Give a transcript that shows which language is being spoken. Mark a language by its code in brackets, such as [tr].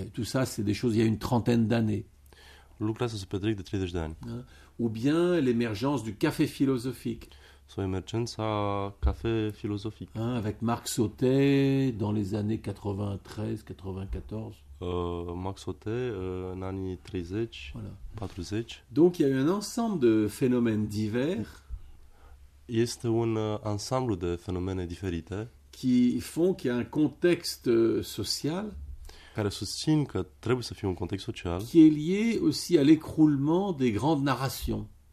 [fr] Tout ça, c'est des choses il y a une trentaine d'années. [ro] Lucrul ăsta se petrece de 30 de ani. [fr] Ou bien l'émergence du café philosophique. [ro] Sau emergența cafe filozofic. [fr] Avec Marc Sauté dans les années 93-94. [ro] Marc Sauté în anii 30, voilà. 40. [fr] Donc il y a eu un ensemble de phénomènes divers. [ro] Este un ensemble de fenomene diferite. [fr] Qui font qu'il y a un contexte social. [ro] Care susțin că trebuie să fie un context social. [fr] Qui est lié aussi à l'écroulement des grandes narrations.